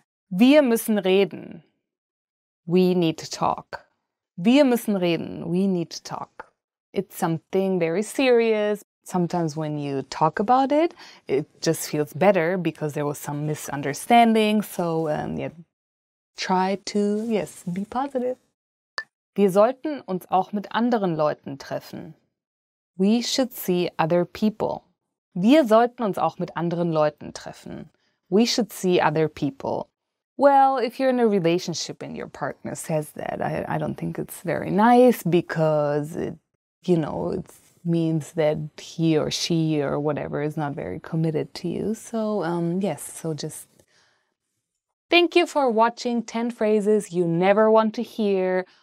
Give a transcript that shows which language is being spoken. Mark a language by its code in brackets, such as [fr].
[de] Wir müssen reden. [en] We need to talk. [de] Wir müssen reden. [en] We need to talk. It's something very serious. Sometimes when you talk about it, it just feels better because there was some misunderstanding. So, yeah, try to, yes, be positive. [de] Wir sollten uns auch mit anderen Leuten treffen. [en] We should see other people. [de] Wir sollten uns auch mit anderen Leuten treffen. [en] We should see other people. Well, if you're in a relationship and your partner says that, I don't think it's very nice because it, you know, it means that he or she or whatever is not very committed to you. So, yes, so just thank you for watching 10 phrases you never want to hear.